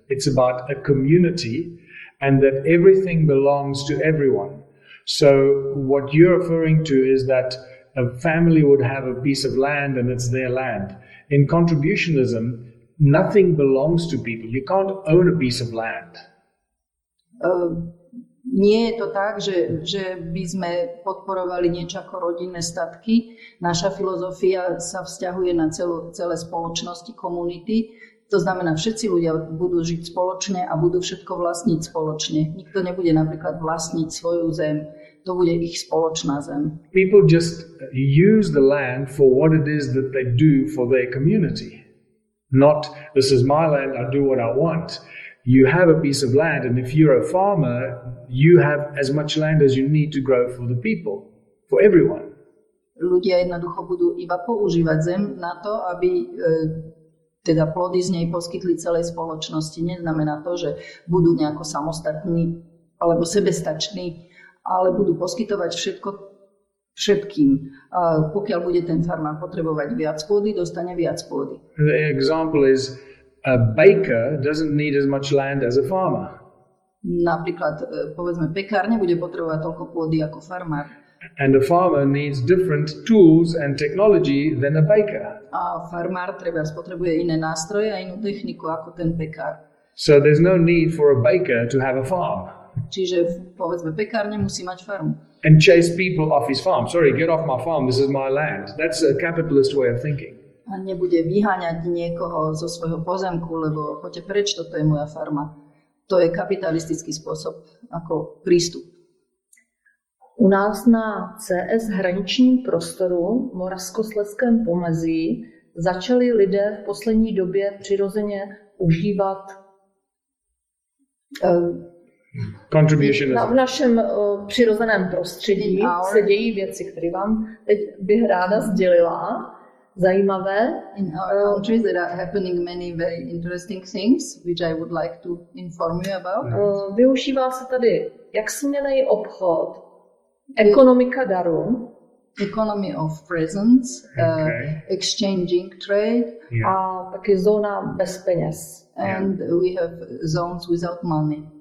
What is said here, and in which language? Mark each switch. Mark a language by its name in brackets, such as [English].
[English] It's about a community and that everything belongs to everyone. So what you're referring to is that a family would have a piece of land and it's their land. In contributionism, nothing belongs to people. You can't own a piece of land. [Slovak] Nie je to tak, že by sme podporovali niečo ako rodinné statky. Naša filozofia sa vzťahuje na celé spoločnosti, komunity. To znamená, všetci ľudia budú žiť spoločne a budú všetko vlastniť spoločne. Nikto nebude napríklad vlastniť svoju zem. To bude ich spoločná zem. [English] People just use the land for what it is that they do for their community. Not, this is my land, I do what I want. You have a piece of land and if you're a farmer, you have as much land as you need to grow for the people, for everyone. [Slovak] Ľudia jednoducho budú iba používať zem na to, aby teda plody z nej poskytli celej spoločnosti. Neznamená to, že budú nejako samostatní alebo sebestační, ale budú poskytovať všetko všetkým. A pokiaľ bude ten farmár potrebovať viac pôdy, dostane viac pôdy. [English] The example is a baker doesn't need as much land as a farmer. [Slovak] Napríklad, povedzme, pekár nebude potrebovať toľko pôdy ako farmár. [English] And a farmer needs different tools and technology than a baker. [Slovak] A farmár treba spotrebuje iné nástroje a inú techniku ako ten pekár. [English] So there's no need for a baker to have a farm. Čiže povedzme pekár nemusí mať farmu. And chase people off his farm. Sorry, get off my farm. This is my land. That's a capitalist way of thinking. [Slovak] A nebude vyháňať niekoho zo svojho pozemku, lebo choďte preč, toto je moja farma. To je kapitalistický spôsob ako prístup. [Czech] U nás na CS hraničním prostoru v Moravskoslezském pomezí začali lidé v poslední době přirozeně užívat [English] contributionism. [Czech] V našem přirozeném prostředí se dějí věci, které vám teď bych ráda sdělila. zajímavé. [English] In our country there are happening many very interesting things, which I would like to inform you about. [Czech] Využívá se tady jak směnný obchod, ekonomika darů. [English] Economy of presents, exchanging trade, [Czech] a taky zóna bez peněz. [English] And we have zones without money.